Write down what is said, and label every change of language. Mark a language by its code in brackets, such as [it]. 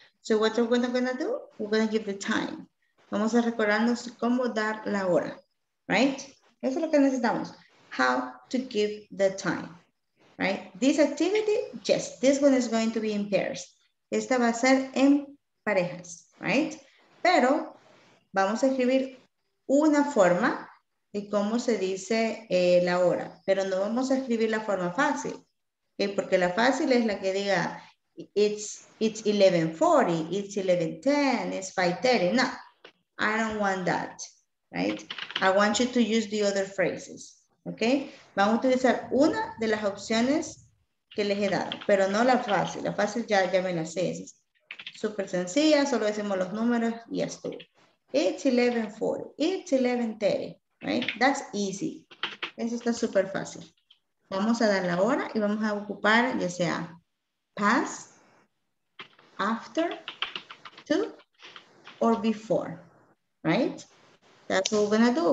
[en] So what are we going to do? We're going to give the time. [es] Vamos a recordarnos cómo dar la hora, [en] right? [es] Eso es lo que necesitamos. [en] How to give the time, right? This activity, yes, this one is going to be in pairs. [es] Esta va a ser en parejas, right? Pero vamos a escribir una forma de cómo se dice la hora. Pero no vamos a escribir la forma fácil, okay? Porque la fácil es la que diga, [en] it's 11:40, it's 11:10, it's 5:30. No, I don't want that, right? I want you to use the other phrases, okay? [es] Vamos a utilizar una de las opciones que les he dado, pero no la fácil. La fácil ya me la sé. Es súper sencilla, solo decimos los números y ya estuvo. [en] It's 11:40, it's 11:30, right? That's easy. [es] Eso está súper fácil. Vamos a dar la hora y vamos a ocupar ya sea past, after, to, or before, right? [en] That's what we're gonna do.